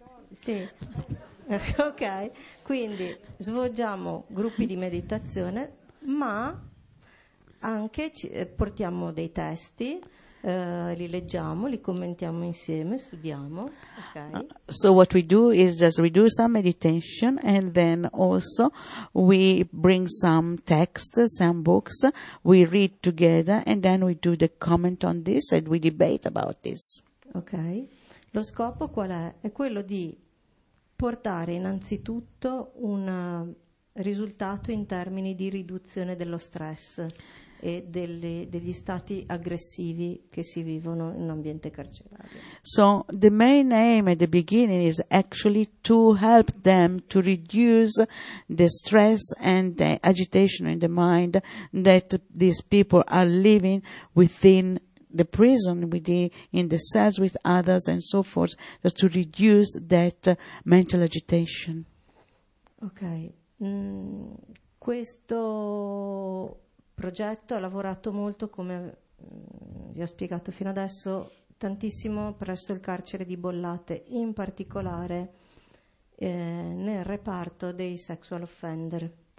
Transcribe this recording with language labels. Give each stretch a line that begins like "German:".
Italian: Sì, ok, quindi svolgiamo gruppi di meditazione, ma anche portiamo dei testi, li leggiamo, li commentiamo insieme, studiamo. Okay.
English: So what we do is just we do some meditation and then also we bring some texts, some books, we read together and then we do the comment on this and we debate about this.
Italian: Ok. Lo scopo qual è? È quello di portare innanzitutto un risultato in termini di riduzione dello stress e degli stati aggressivi che si vivono in un ambiente carcerario.
English: So the main aim at the beginning is actually to help them to reduce the stress and the agitation in the mind that these people are living within the prison, in the cells with others and so forth, just to reduce that mental agitation. Ok.
Italian: Questo progetto ha lavorato molto, come vi ho spiegato fino adesso, tantissimo presso il carcere di Bollate, in particolare nel reparto dei sexual offender.